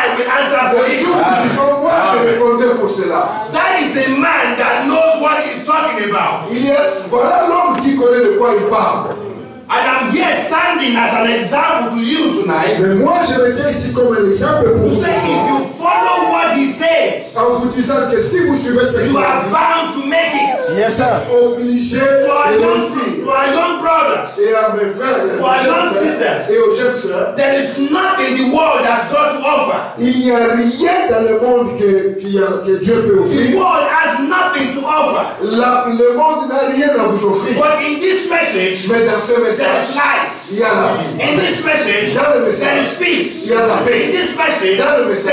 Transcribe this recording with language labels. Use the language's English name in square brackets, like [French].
[English] That is a man that knows what he's talking about. [French] Yes, voilà l'homme qui connaît de quoi il parle. [English] And I'm here standing as an example to you tonight. [French] Mais moi je me tiens ici comme un exemple pour vous. [English] Say if you follow what he says, [French] en vous disant que si vous suivez ce qu'il dit, [English] you are bound to make it. Yes, sir. [French] Obligé [English] to our young brothers. [French] Et à mes frères, [English] to our young sisters. [French] Et aux jeunes sœurs. [English] There is nothing the world has got to offer. [French] Il n'y a rien dans le monde que Dieu peut offrir. [English] The world has nothing to offer. [French] Le monde n'a rien à vous offrir. [English] But in this message, [French] mais dans ce message, [English] there is life. [French] Il y a la vie. [English] In this message, [French] dans dans le message. [English] There is peace. [French] Il y a la paix. [English] In this message. [French] Dans le message.